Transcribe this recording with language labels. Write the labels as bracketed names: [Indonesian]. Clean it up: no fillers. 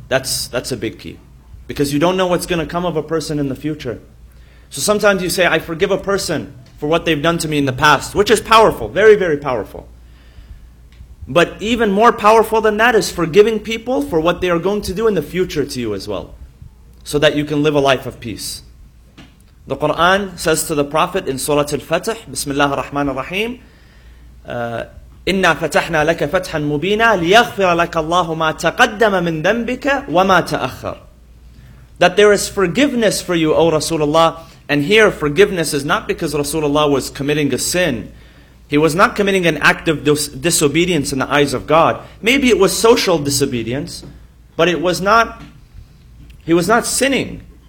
[English] That's a big key. Because you don't know what's going to come of a person in the future. So sometimes you say, I forgive a person for what they've done to me in the past, which is powerful, very, very powerful. But even more powerful than that is forgiving people for what they are going to do in the future to you as well. So that you can live a life of peace. The Quran says to the Prophet in Surah Al-Fatih, [Arabic] Bismillah ar-Rahman ar-Rahim, إِنَّا فَتَحْنَا لَكَ فَتْحًا مُبِينًا لِيَغْفِرَ لَكَ اللَّهُ مَا تَقَدَّمَ مِنْ ذَنْبِكَ وَمَا تَأَخَّرَ. [English] That there is forgiveness for you, O Rasulullah. And here, forgiveness is not because Rasulullah was committing a sin. He was not committing an act of disobedience in the eyes of God. Maybe it was social disobedience, but it was not, he was not sinning.